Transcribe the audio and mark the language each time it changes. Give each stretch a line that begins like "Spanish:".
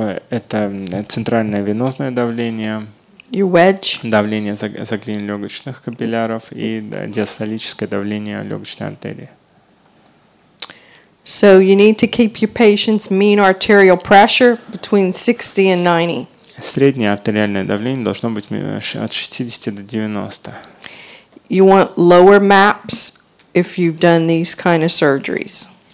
Russian: Это центральное венозное давление.
English: Your wedge.
Russian: Давление заглубин легочных капилляров и диастолическое давление легочной артерии.
English: So you need to keep your patient's mean arterial pressure between 60 and 90.
Russian: Среднее артериальное давление должно быть от 60 до 90.
English: You want lower MAPs if you've done these kind of surgeries.